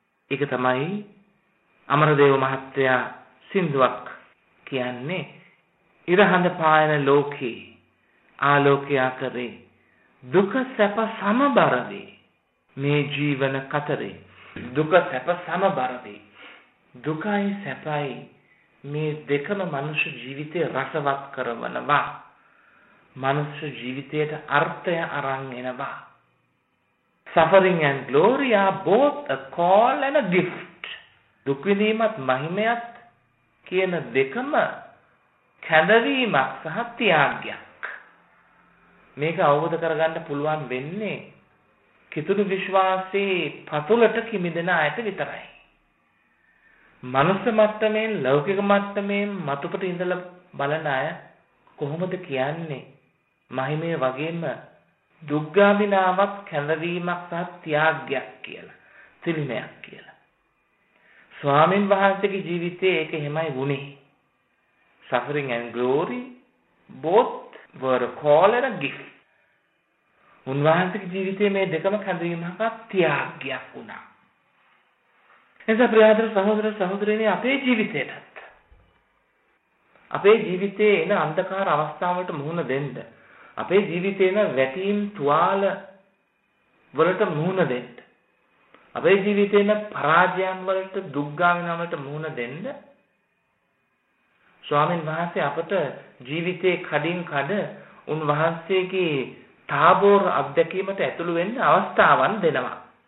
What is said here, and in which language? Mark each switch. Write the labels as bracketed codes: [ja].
[si] ඒක තමයි අමරදේව මහත්තයා සින්දුවක් කියන්නේ ඉරහඳ පායන ලෝකේ ආලෝකය කරේ දුක සැප සමබරදී මේ ජීවන කතරේ දුක සැප සමබරදී දුකයි සැපයි මේ දෙකම මනුෂ්‍ය ජීවිතේ රසවත් කරවනවා. මනුෂ්‍ය ජීවිතයට අර්ථය අරන් එනවා. [en] Suffering and glory are both a call and a gift. [si] දුක් විඳීමත් මහිමයත් කියන දෙකම කැඳවීමක් සහ ත්‍යාගයක්. මේක අවබෝධ කරගන්න පුළුවන් වෙන්නේ කිතුනු විශ්වාසී පතුලට කිමිදෙන අයට විතරයි. මනුෂ්‍ය මට්ටමේ ලෞකික මට්ටමේ මතුපිට ඉඳලා බලන අය කොහොමද කියන්නේ මහිමය වගේම දුක්ගාමිනාවක් කැඳවීමක් සහ ත්‍යාගයක් කියලා තිලිනයක් කියලා. ස්වාමින් වහන්සේගේ ජීවිතයේ ඒක එහෙමයි වුනේ. [en] Suffering and glory both were a call and a gift. [si] උන්වහන්සේගේ ජීවිතයේ මේ දෙකම කැඳවීමක් සහ ත්‍යාගයක් වුණා. එනිසා ප්‍රියදර සහෝදර සහෝදරියනි අපේ ජීවිතේටත් අපේ ජීවිතයේ එන අන්ධකාර අවස්ථාවලට මුහුණ දෙන්න අපේ ජීවිතේන වැටීම් තුවාල වලට මුහුණ දෙන්න අපේ ජීවිතේන පරාජයන් වලට දුක්ගාමිනා වලට මුහුණ දෙන්න ස්වාමීන් වහන්සේ අපට ජීවිතේ කඩින් කඩ උන්වහන්සේගේ තාබෝර අත්දැකීමට ඇතුළු වෙන්න අවස්ථාවන් දෙනවා.